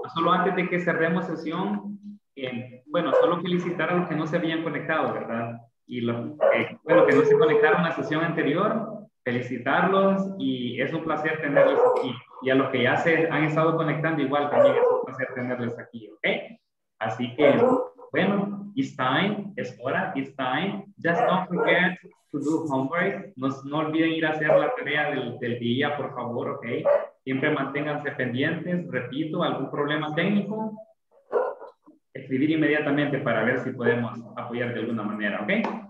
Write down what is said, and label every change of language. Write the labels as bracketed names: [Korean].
[Spanish] Solo antes de que cerremos sesión, bueno, solo felicitar a los que no se habían conectado, ¿verdad? Y los bueno, que no se conectaron a la sesión anterior, felicitarlos y es un placer tenerlos aquí. Y a los que ya se han estado conectando, igual también es un placer tenerles aquí, ¿ok? Así que, bueno, [English] it's time, [Spanish] es hora, it's time. [English] Just don't forget to do homework. [Spanish] No olviden ir a hacer la tarea del día, por favor, ¿ok? Siempre manténganse pendientes. Repito, algún problema técnico, escribir inmediatamente para ver si podemos apoyar de alguna manera, ¿ok?